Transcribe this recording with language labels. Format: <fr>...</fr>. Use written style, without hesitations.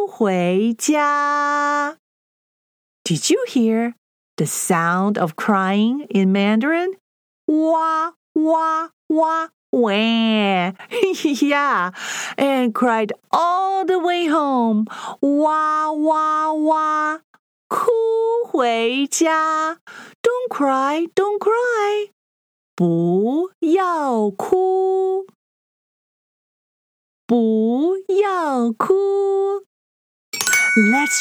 <zh>这只小猪哇哇哇一路哭回家。</zh> <en>Did you hear the sound of crying in Mandarin?</en> <zh>哇哇哇喂。</zh> <en>Yeah, and cried all the way home.</en> <zh>哇哇哇哭回家。</zh> <en>Don't cry, don't cry.</en> <zh>不要哭。不要哭。</zh> <en>Let's</en>